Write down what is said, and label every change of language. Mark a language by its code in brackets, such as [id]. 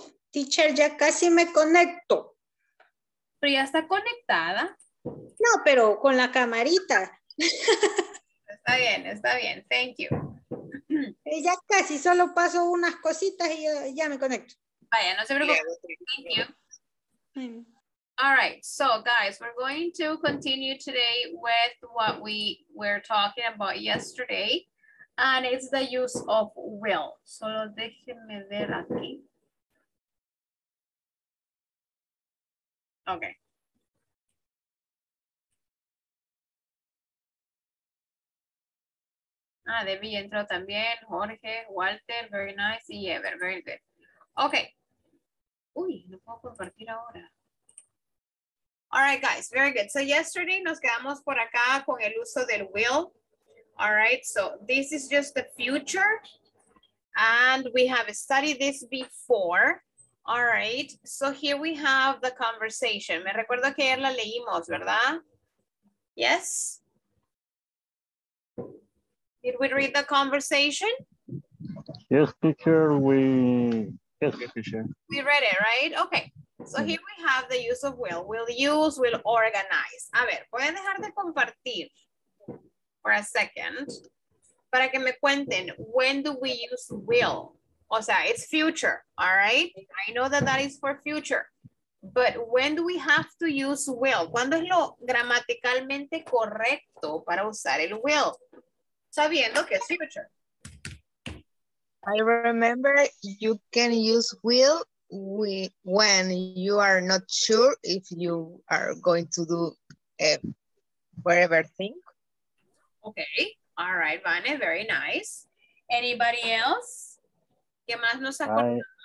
[es] Teacher, ya casi me conecto. Pero ya está conectada. No, pero con la camarita. Está bien, está bien. [en] Thank you. [es] Ya casi, solo paso unas cositas y ya me conecto. Vaya, no se preocupe. [en] Thank you. All right, so guys, we're going to continue today with what we were talking about yesterday. And it's the use of will. [es] Solo déjenme ver aquí. [en] Okay. [es] Ah, Debbie entró también. [en] Jorge, Walter, very nice. Y Ever, very good. Okay. [es] Uy, no puedo compartir ahora. [en] All right, guys, very good. So yesterday [es] nos quedamos por acá con el uso del will. [en] All right, so this is just the future. And we have studied this before. All right, so here we have the conversation. [es] Me recuerdo que ayer la leímos, ¿verdad? [en] Yes? Did we read the conversation? Yes, teacher, we... Yes, teacher. We read it, right? Okay, so here we have the use of will. Will use, will organize. [es] A ver, voy a dejar de compartir [en] for a second [es] para que me cuenten, [en] when do we use will? [es] O sea, [en] it's future, all right? I know that that is for future. But when do we have to use will? [es] ¿Cuándo es lo gramaticalmente correcto para usar el will? Sabiendo que es future. [en] I remember you can use will when you are not sure if you are going to do whatever thing. Okay, all right, Vane, very nice. Anybody else? [es] ¿Qué más nos acordamos?